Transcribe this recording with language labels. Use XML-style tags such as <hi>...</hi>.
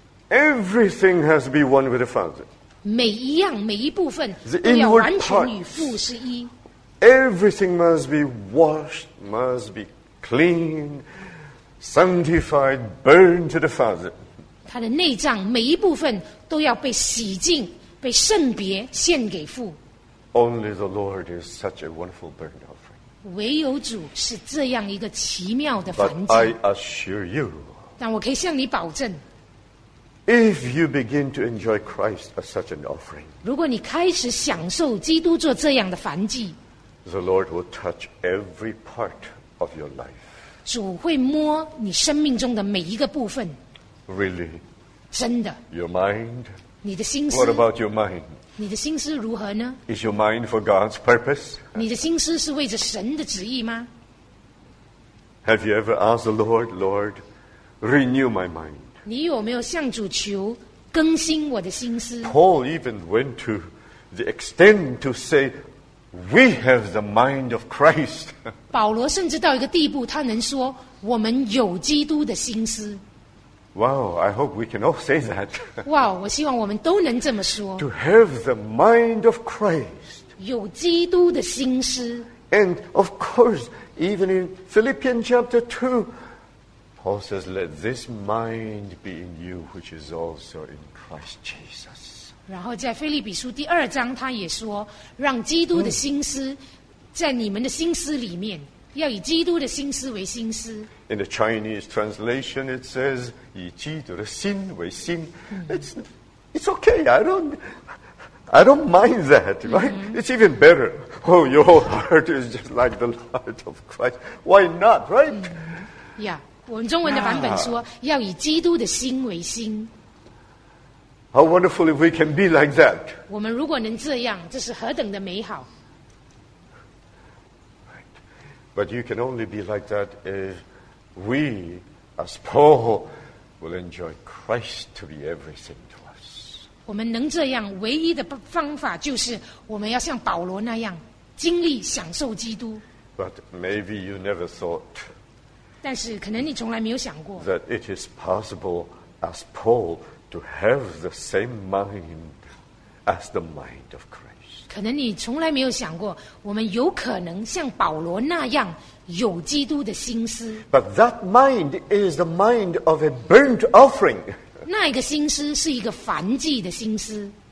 <en>Everything has to be one with the Father.</en> <zh>每一样，每一部分都要完全与父是一。</zh> <en>Everything must be washed, must be clean, sanctified, burned to the Father.</en> <zh>他的内脏每一部分都要被洗净，被圣别献给父。</zh> <en>Only the Lord is such a wonderful burnt offering.</en> <zh>唯有主是这样一个奇妙的燔祭。</zh> <en>I assure you.</en> <zh>但我可以向你保证。</zh> <en>If you begin to enjoy Christ as such an offering,</en> <zh>如果你开始享受基督做这样的燔祭，</zh> <en>the Lord will touch every part of your life.</en> <zh>主会摸你生命中的每一个部分。</zh> <en>Really?</en> <zh>真的。</zh> <en>Your mind?</en> <zh>你的心思。</zh> <en>What about your mind?</en> <zh>你的心思如何呢？</zh> <en>Is your mind for God's purpose?</en> <zh>你的心思是为着神的旨意吗？</zh> <en>Have you ever asked the Lord, Lord, renew my mind?</en> <zh>你有没有向主求更新我的心思？</zh> <en>Paul even went to the extent to say, "We have the mind of Christ."</en> <zh>保罗甚至到一个地步，他能说我们有基督的心思。</zh> <en>Wow, I hope we can all say that.</en> <zh>哇，我希望我们都能这么说。</zh> <en>To have the mind of Christ.</en> <zh>有基督的心思。</zh> <en>And of course, even in Philippians chapter 2. Paul says, "Let this mind be in you, which is also in Christ Jesus."</en> <zh>然后在腓立比书第二章，他也说，让基督的心思在你们的心思里面，要以基督的心思为心思。</zh> <en>In the Chinese translation, it says,</en> <zh>以基督的心为心。</zh> <en>It's okay. I don't mind that, right? Mm-hmm. It's even better. Oh, your whole heart is just like the heart of Christ. Why not, right? Yeah.</en> <zh>我们中文的版本说要以基督的心为心。</zh> <en>How wonderful if we can be like that.</en> <zh>我们如果能这样，这是何等的美好。</zh> <en>Right. But you can only be like that if we, as Paul, will enjoy Christ to be everything to us.</en> <zh>我们能这样，唯一的方法就是我们要像保罗那样，经历享受基督。</zh> <en>But maybe you never thought.</en> <zh>但是可能你从来没有想过</zh> <en>that it is possible as Paul to have the same mind as the mind of Christ.</en> <zh>可能你从来没有想过我们有可能像保罗那样有基督的心思。</zh> <en>But that mind is the mind of a burnt offering.</en> <zh>那一个心思是一个燔祭的心思。</zh>